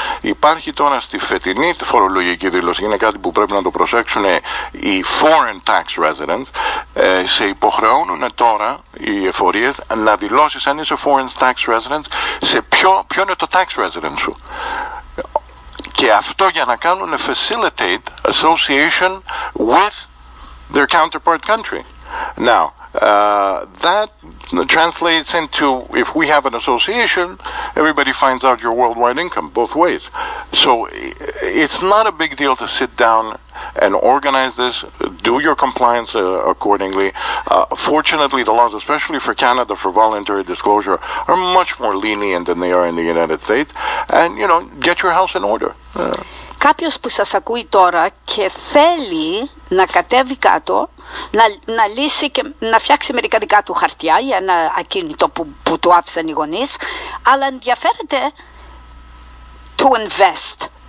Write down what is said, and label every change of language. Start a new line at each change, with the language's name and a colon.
Greek: Υπάρχει τώρα στη φετινή φορολογική δήλωση, είναι κάτι που πρέπει να το προσέξουν οι foreign tax residents, σε υποχρεώνουν τώρα οι εφορίες να δηλώσεις αν είσαι foreign tax resident, σε ποιο είναι το tax resident σου. Και αυτό για να κάνουν
English: facilitate association with their counterpart country. Now, that translates into, if we have an association, everybody finds out your worldwide income, both ways. So it's not a big deal to sit down and organize this, do your compliance accordingly. Fortunately, the laws, especially for Canada, for voluntary disclosure, are much more lenient than they are in the United States. And, you know, get your house in order.
Greek: Κάποιος που σας ακούει τώρα και θέλει να κατέβει κάτω, να λύσει και να φτιάξει μερικά δικά του χαρτιά ή ένα ακίνητο που του άφησαν οι γονείς, αλλά ενδιαφέρεται
English: to invest.